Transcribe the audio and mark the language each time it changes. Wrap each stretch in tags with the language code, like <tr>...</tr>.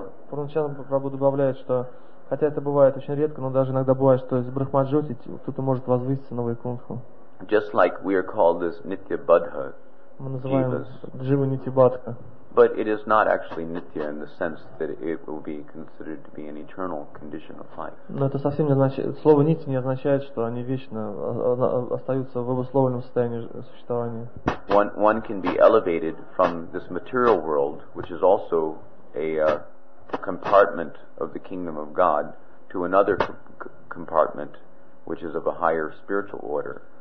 <ru>Пурнучана Прабху добавляет, что хотя это бывает очень редко, но даже иногда бывает, что из Брахмаджоти кто-то может возвыситься на Вайкунтху.</ru> <en>Just like we are called this Nitya Badha,</en> <ru>мы называем Джива Нитибадха.</ru> <en>But it is not actually Nitya in the sense that it will be considered to be an eternal condition of life.</en> <ru>Но это совсем не означает, слово Нитя не означает, что они вечно остаются в обусловленном состоянии существования.</ru> <en>One can be elevated from this material world, which is also a compartment of the kingdom of God, to another compartment which is of a higher spiritual order.</en>